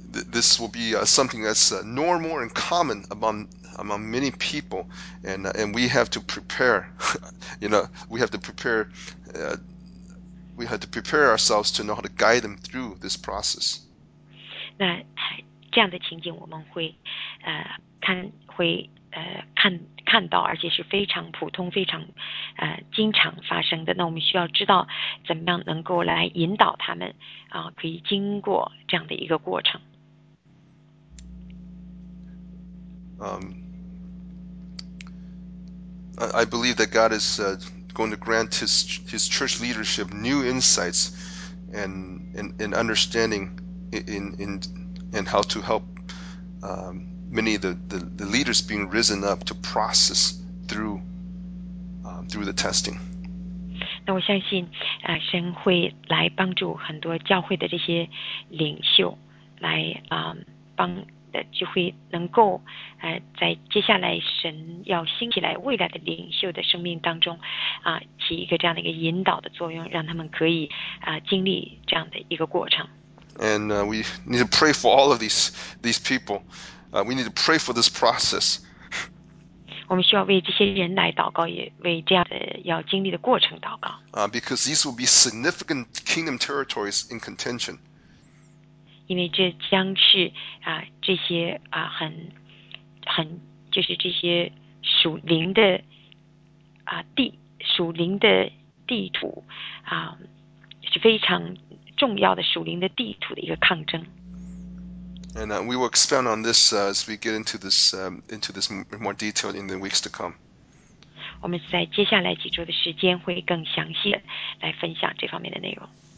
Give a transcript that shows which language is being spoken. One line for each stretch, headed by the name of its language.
English: This will be something that's normal and common among many people, and we have to prepare. You know, we have to prepare. We have to prepare ourselves to know how to guide them through this process.
Chinese: 那这样的情景，我们会看到，而且是非常普通、非常经常发生的。那我们需要知道怎么样能够来引导他们可以经过这样的一个过程。
English: I believe that God is going to grant his church leadership new insights and understanding in how to help many of the leaders being risen up to process through the testing.
Chinese: 那我相信神会来帮助很多教会的这些领袖来帮就会能够在接下来神要兴起来未来的领袖的生命当中起一个这样的一个引导的作用，让他们可以经历这样的一个过程。
English: And we need to pray for all of these people. We need to pray for this process.
Chinese: 我们需要为这些人来祷告，也为这样的要经历的过程祷告。
English: Because these will be significant kingdom territories in contention.
Chinese: 因为这将是这些很就是这些属灵的地，属灵的地图是非常重要的属灵的地图的一个抗争。
English: And we will expand on this as we get into this more detail in the weeks to come.
Chinese: 我们在接下来几周的时间会更详细的来分享这方面的内容。